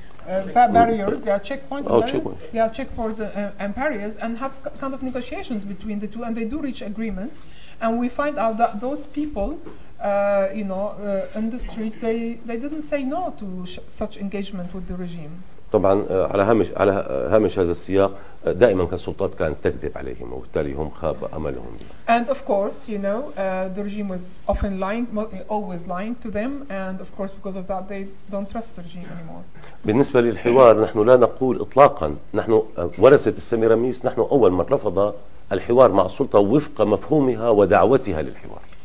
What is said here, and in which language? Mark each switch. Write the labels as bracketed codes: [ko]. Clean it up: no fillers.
[en] Checkpoints and barriers, and have kind of negotiations between the two, and they do reach agreements. And we find out that those people, in the streets, they didn't say no to such engagement with the regime. [ar] طبعاً على هامش هذا السياق دائماً كالسلطات كانت تكذب عليهم وبالتالي هم خاب أملهم. [en] And of course, you know, the regime was often lying, always lying to them, and of course because of that they don't trust the regime anymore. [ar] بالنسبة للحوار نحن لا نقول إطلاقاً نحن ورثة السميراميس نحن أول من رفض الحوار مع السلطة وفق مفهومها ودعوتها للحوار.